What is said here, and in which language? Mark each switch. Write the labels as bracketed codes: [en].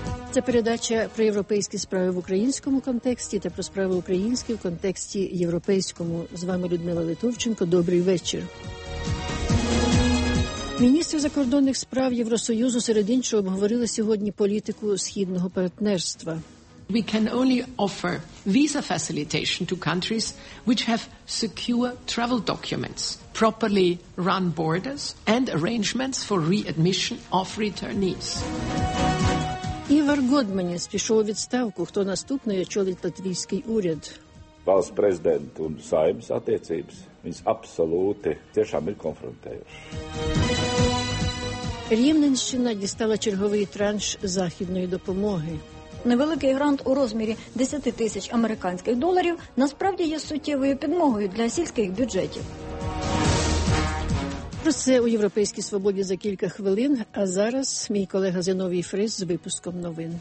[uk] Це передача про європейські справи в українському контексті та про справи українські в контексті європейському. З вами Людмила Литовченко. Добрий вечір. Міністри закордонних справ Євросоюзу серед іншого обговорили сьогодні політику східного партнерства. [en] We can only offer visa facilitation to countries which have secure travel documents, properly run borders and arrangements for readmission of returnees. [uk] Івар Годманіс пішов у відставку. Хто наступний очолить латвійський уряд? [lv] Valsts prezidenta un Saeimas attiecības, viņas absolūti tiešām ir konfrontējušas. [uk] Рівненщина дістала черговий транш західної допомоги. Невеликий грант у розмірі 10 тисяч американських доларів насправді є суттєвою підмогою для сільських бюджетів. Про це у «Європейській свободі» за кілька хвилин. А зараз мій колега Зіновій Фріс з випуском новин.